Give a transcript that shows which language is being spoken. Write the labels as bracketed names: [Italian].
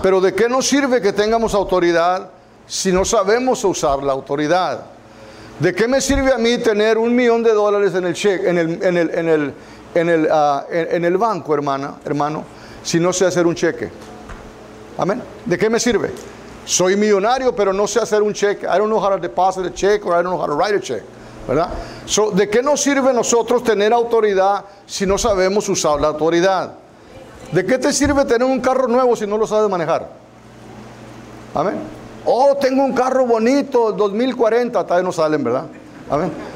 [Spanish] Pero ¿de qué nos sirve que tengamos autoridad si no sabemos usar la autoridad? ¿De qué me sirve a mí tener $1,000,000 en el cheque, en el banco, hermano, si no sé hacer un cheque? Amén. ¿De qué me sirve? Soy millonario, pero no sé hacer un cheque. [English] I don't know how to deposit a check or I don't know how to write a check. [Spanish] ¿Verdad? So, ¿de qué nos sirve nosotros tener autoridad si no sabemos usar la autoridad? ¿De qué te sirve tener un carro nuevo si no lo sabes manejar? Amén. Oh, tengo un carro bonito, 2040, tal vez no salen, ¿verdad? Amén.